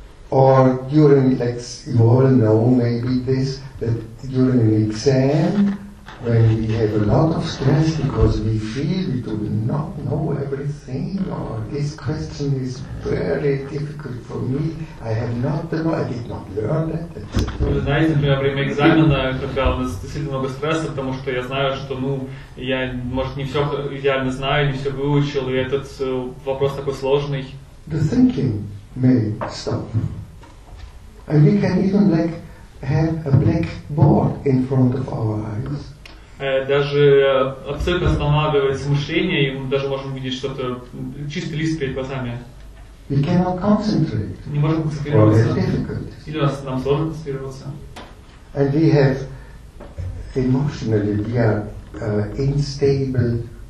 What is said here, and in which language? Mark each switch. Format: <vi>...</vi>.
<en>Or during like you all know maybe this that during an exam when we have a lot of stress because we feel we do not know everything or this question is very difficult for me, I have not the know, I did not learn that.</en> <ru>Вы знаете, например, во время экзамена, когда у нас действительно много стресса, потому что я знаю, что ну я может не все идеально знаю, не все выучил, и этот вопрос такой сложный.</ru> <en>The thinking may stop. And we can even like have a blackboard in front of our eyes.</en> <ru>Даже абсолютно останавливается мышление, и мы даже можем увидеть что-то чистый лист перед глазами.</ru> <en>We cannot concentrate.</en> <ru>Не можем концентрироваться. Или нам сложно концентрироваться.</ru> <en>And we have emotionally we are unstable.</en>